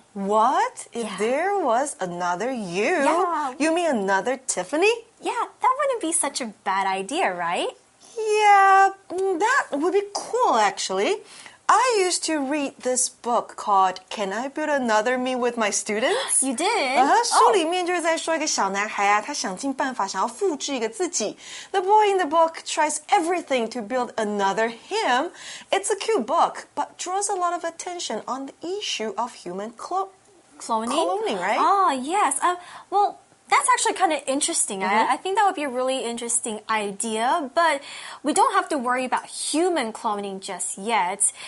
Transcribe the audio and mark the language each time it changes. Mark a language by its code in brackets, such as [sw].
[en] What? If there was another you? Yeah. You mean another Tiffany? Yeah, that wouldn't be such a bad idea, right? Yeah, that would be cool, actually. I used to read this book called Can I Build Another Me with my students? You did? [zh] 书里面就是在说一个小男孩啊，他想尽办法想要复制一个自己。 [en] The boy in the book tries everything to build another him. It's a cute book, but draws a lot of attention on the issue of human cloning, right? Oh, yes. That's actually kind of interesting. Mm-hmm. I think that would be a really interesting idea, but we don't have to worry about human cloning just yet.